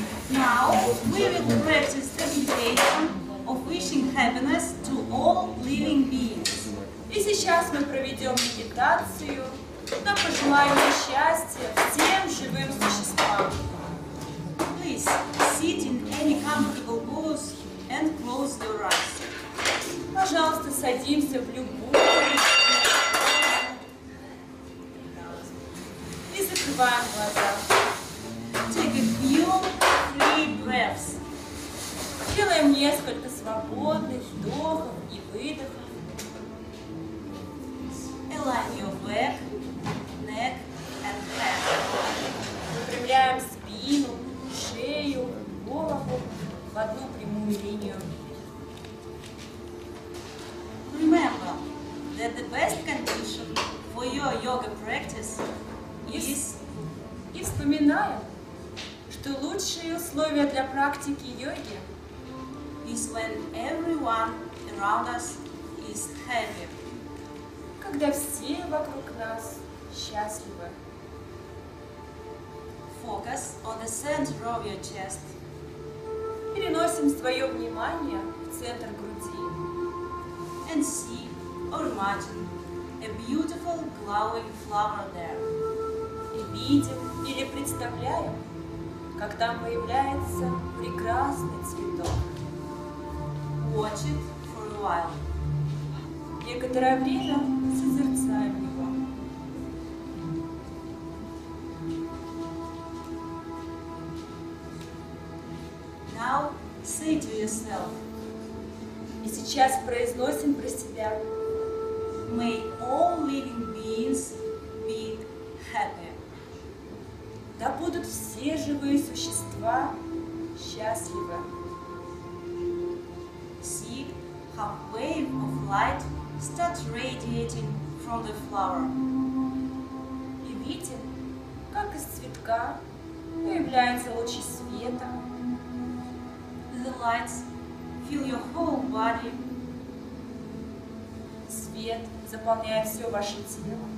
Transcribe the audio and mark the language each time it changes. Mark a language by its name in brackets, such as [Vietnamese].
[English] Now we will practice the meditation of wishing happiness to all living beings. [Russian] И сейчас мы проведем медитацию на пожелание счастья всем живым существам. [English] Please sit in any comfortable pose and close your eyes. [Russian] Пожалуйста, садимся в любую и закрываем глаза. [English] Take a few free breaths. [Russian] Делаем несколько свободных вдохов и выдохов. [English] Align your back, neck and head. [Russian] Выпрямляем спину, шею, голову в одну прямую линию. [English] Remember that the best condition for your yoga practice is... [Russian] И вспоминаем, что лучшие условия для практики йоги [English] is when everyone around us is happy. [Russian] Когда все вокруг нас счастливы. [English] Focus on the center of your chest. [Russian] Переносим свое внимание в центр груди. [English] And see or imagine a beautiful glowing flower there. [Russian] И видим или представляем, как там появляется прекрасный цветок. [English] Watch it for a while. [Russian] Некоторое время созерцаем его. [English] Now say to yourself. [Russian] И сейчас произносим про себя. [English] May all living beings be happy. [Russian] Да будут все живые существа счастливы. [English] See how wave of light starts radiating from the flower. [Russian] И видим, как из цветка появляются лучи света. [English] The lights fill your whole body. [Russian] Свет заполняет все ваше тело.